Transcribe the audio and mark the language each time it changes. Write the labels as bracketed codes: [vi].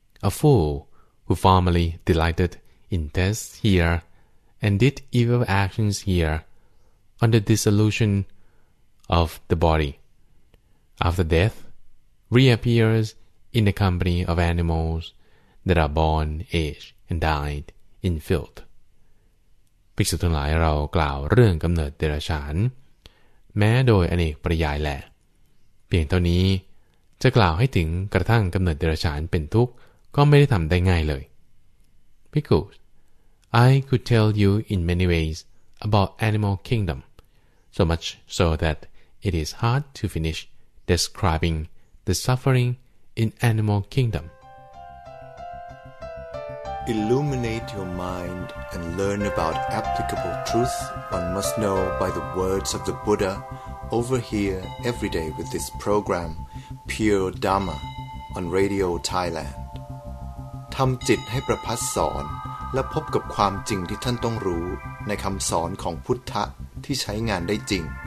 [en] A fool who formerly delighted in tests here and did evil actions here on the dissolution of the body after death reappears in the company of animals that are born, aged, and died in filth. [th] ภิกษุทั้งหลายเรากล่าวเรื่องกำเนิดเดรัจฉานแม้โดยอเนกปริยายแหละเพียงเท่านี้จะกล่าวให้ถึงกระทั่งกำเนิดเดรัจฉานเป็นทุกข์ก็ไม่ได้ทำได้ง่ายเลย [en] Because I could tell you in many ways about animal kingdom so much so that it is hard to finish describing the suffering in animal kingdom Illuminate your mind and learn about applicable truth one must know by the words of the Buddha over here every day with this program Pure Dharma on Radio Thailand [th] ทำจิตให้ประพัสสอนและพบกับความจริงที่ท่านต้องรู้ในคำสอนของพุทธะที่ใช้งานได้จริง